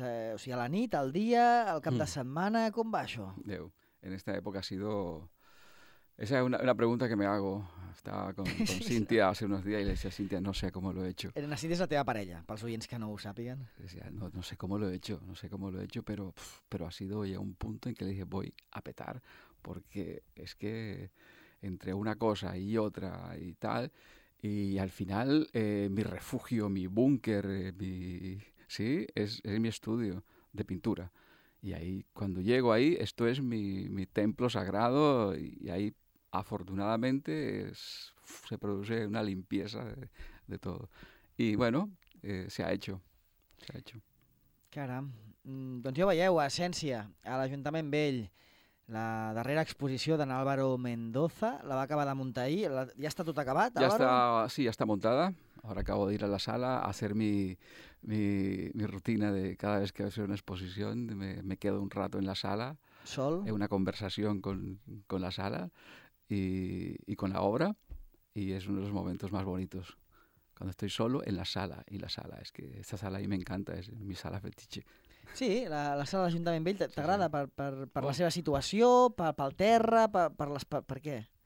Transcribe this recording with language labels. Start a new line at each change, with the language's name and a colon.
Catalan: O sigui, a la nit, al dia, al cap de setmana, com va això?
Spanish: Déu. En esta época ha sido... Esa es una pregunta que me hago. Estaba con Cintia hace unos días y le decía, Cintia, no sé cómo lo he hecho.
Catalan: En la Cintia es la teva parella,
Spanish: para los oyentes que no lo sapiguen. Decía, no sé cómo lo he hecho, no sé cómo lo he hecho, pero ha sido ya un punto en que le dije, voy a petar, porque es que entre una cosa y otra y tal, y al final mi refugio, mi búnker, ¿sí? Es mi estudio de pintura. Y ahí, cuando llego ahí, esto es mi templo sagrado y ahí, afortunadamente, se produce una limpieza de todo. Y bueno, se ha hecho.
Catalan: Caram. Doncs ja veieu, a Essència, a l'Ajuntament Vell, la darrera exposició d'en Álvaro Mendoza, la va acabar de muntar ahir. Ja està tot acabat, Álvaro? Ja està muntada.
Spanish: Ahora acabo de ir a la sala a hacer mi rutina de cada vez que voy a hacer una exposición, me quedo un rato en la sala.
Catalan: ¿Sol?
Spanish: En una conversación con la sala y con la obra. Y es uno de los momentos más bonitos. Cuando estoy solo en la sala. Y la sala, es que esta sala a mí me encanta, es mi sala fetiche.
Catalan: Sí, la sala de l'Ajuntament Vell t'agrada sí. per la seva situació, pel terra, per què?